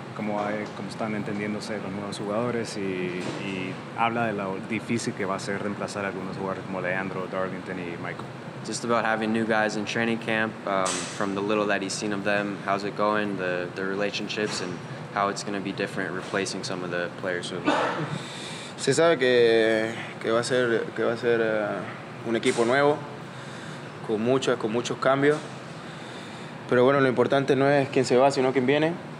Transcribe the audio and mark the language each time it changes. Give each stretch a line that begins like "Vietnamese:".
Spanish: ¿Cómo están entendiéndose los nuevos jugadores? Y habla de lo difícil que va a ser reemplazar a algunos jugadores como Leandro, Darlington y Michael.
English: Just about having new guys in training camp, from the little that he's seen of them, how's it going, the relationships, and how it's going to be different replacing some of the players who have left.
Spanish: Se sabe que va a ser un equipo nuevo, con muchos cambios. Pero bueno, lo importante no es quién se va, sino quién viene.